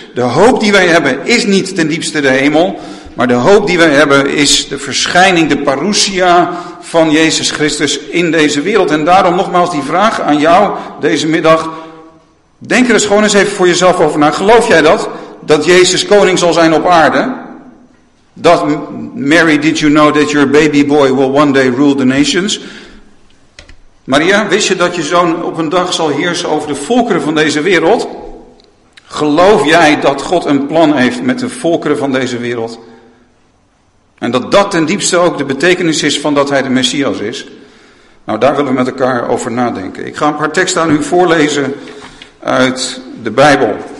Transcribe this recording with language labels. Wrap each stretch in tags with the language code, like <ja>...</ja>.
<nl>De hoop die wij hebben is niet ten diepste de hemel. Maar de hoop die wij hebben is de verschijning, de parousia van Jezus Christus in deze wereld. En daarom nogmaals die vraag aan jou deze middag. Denk er eens gewoon eens even voor jezelf over na. Geloof jij dat? Dat Jezus koning zal zijn op aarde?</nl> <en>Dat Mary, did you know that your baby boy will one day rule the nations?</en> <nl>Maria, wist je dat je zoon op een dag zal heersen over de volkeren van deze wereld? Geloof jij dat God een plan heeft met de volkeren van deze wereld? En dat dat ten diepste ook de betekenis is van dat hij de Messias is. Nou, daar willen we met elkaar over nadenken. Ik ga een paar teksten aan u voorlezen uit de Bijbel.</nl>